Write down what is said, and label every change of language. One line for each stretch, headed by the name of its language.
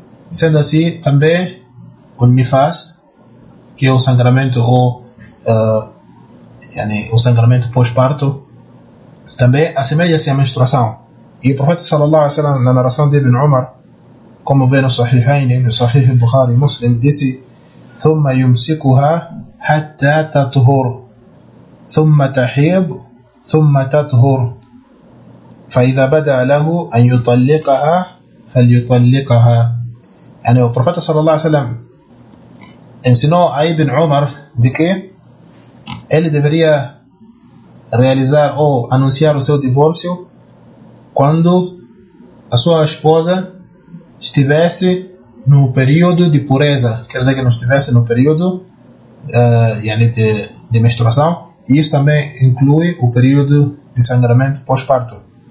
Portuguese: Sendo assim, também o nifas, que é o sangramento o sangramento pós-parto, também assemelha-se à menstruação. E o profeta sallallahu alaihi wasallam, na narração de Ibn Umar, como vê no Sahihain, no Sahih Bukhari Muslim, disse:
Arabic: ثم يمسكها حتى تطهر. ثم تحيض ثم تطهر، فإذا بدأ له أن يطلقها فليطلقها. يعني البروفيت صلى الله عليه وسلم
Portuguese: ensinou a Ibn Umar de que ele deveria realizar ou anunciar o seu divórcio quando a sua esposa estivesse no período de pureza, quer dizer que não estivesse no período de menstruação, e isso também inclui o período de sangramento pós-parto.